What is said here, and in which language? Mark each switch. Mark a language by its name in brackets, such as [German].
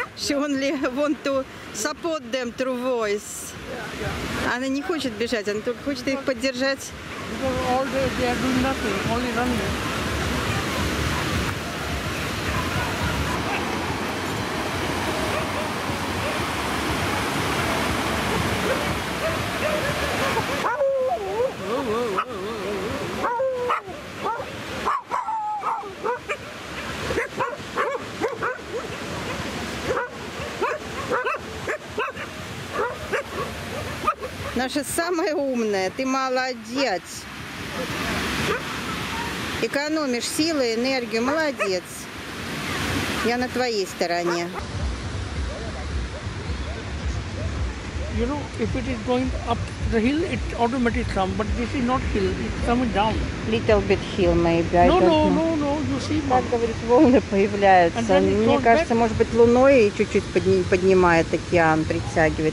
[English] She only want to support them through voice. [Russian] Она не хочет бежать, она только хочет их поддержать. Наша самая умная, ты молодец. Экономишь силы, энергию, молодец. Я на твоей стороне. [English] You know, if it is going up the hill, it automatically comes, but this is not hill, it's coming down. Little bit hill, maybe. No, you see, mom. [Russian] Так, говорит, волны появляются. Мне кажется, [English] back. [Russian] Может быть, луной и чуть-чуть поднимает океан, притягивает.